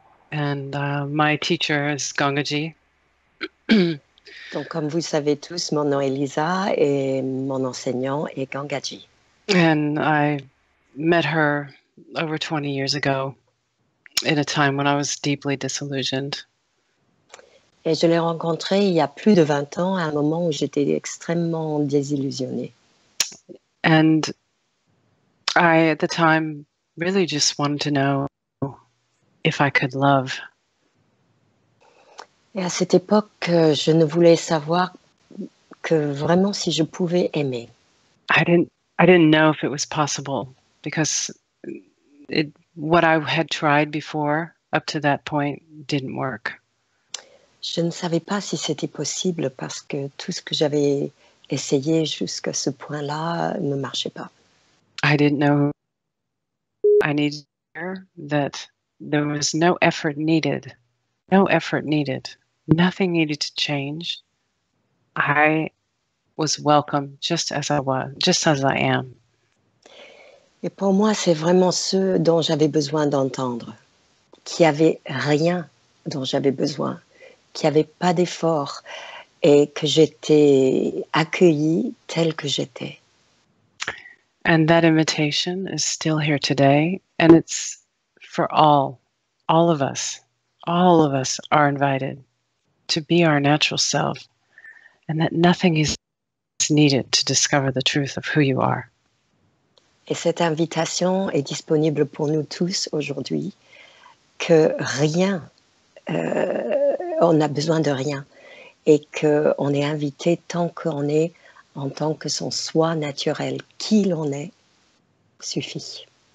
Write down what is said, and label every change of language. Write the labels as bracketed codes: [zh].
[en] And my teacher is Gangaji. [fr] Donc, comme vous savez tous, mon nom est Lisa et mon enseignant est Gangaji. [en] And I met her over 20 years ago in a time when I was deeply disillusioned. [fr] Et je l'ai rencontré il y a plus de 20 ans, à un moment où j'étais extrêmement désillusionnée. [en] And I, at the time, really just wanted to know if I could love. [fr] Et à cette époque, je ne voulais savoir que vraiment si je pouvais aimer. [en] I didn't know if it was possible because it, what I had tried before up to that point didn't work. [fr] Je ne savais pas si c'était possible parce que tout ce que j'avais essayé jusqu'à ce point-là ne marchait pas. [en] I didn't know I needed that there was no effort needed. No effort needed. Nothing needed to change. I was welcome just as I was, just as I am. [fr] Et pour moi, c'est vraiment ce dont j'avais besoin d'entendre, qu'il n'y avait rien dont j'avais besoin, qu'il n'y avait pas d'effort et que j'étais accueillie telle que j'étais. [en] And that invitation is still here today, and it's for all, all of us. All of us are invited to be our natural self, and that nothing is needed to discover the truth of who you are. [fr] Et cette invitation est disponible pour nous tous aujourd'hui, que rien, on n'a besoin de rien, et qu'on est invité tant qu'on est en tant que son soi naturel, qui l'on est, suffit.